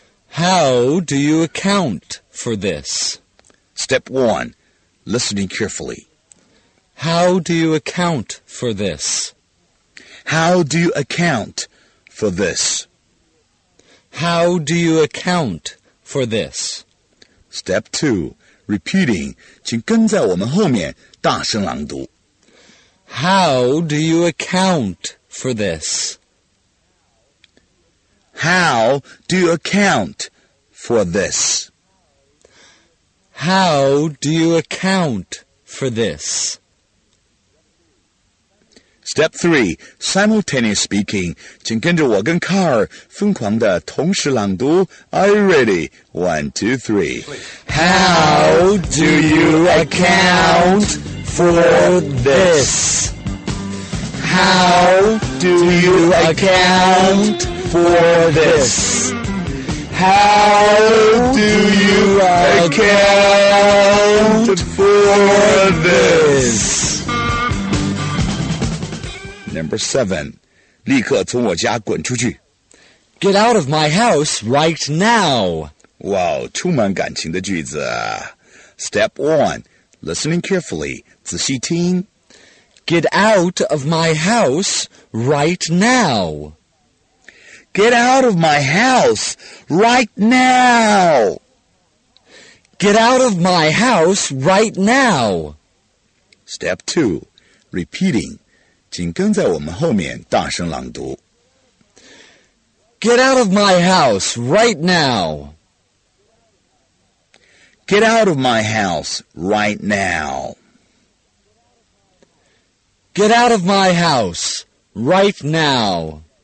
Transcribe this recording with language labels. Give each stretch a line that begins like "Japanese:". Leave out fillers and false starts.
English: How do you account for this? Step 1. Listening carefully. How do you account for this? How do you account for this? How do you account for this? Step 2. Repeating.
Chinese: 请跟在我们后面大声朗读.
English: How do you account for this? How do you account for this? How do you account for this? Step 3. Simultaneous speaking.
Chinese: 请跟着我跟卡尔疯狂地同时朗读.
English: Are you ready? 1, 2, 3. How do you account for this? How do you account for this? How do you account for this? Number 7.
Chinese: 立刻从我家滚出去.
English: Get out of my house right now.
Chinese: Wow, 充满感情的句子.
English: Step 1. Listening carefully.
Chinese: 仔细听.
English: Get out of my house right now. Get out of my house right now. Get out of my house right now. Step 2. Repeating.
Chinese: 请跟在我们后面大声朗读.
English: Get out of my house right now. Get out of my house right now. Get out of my house right now.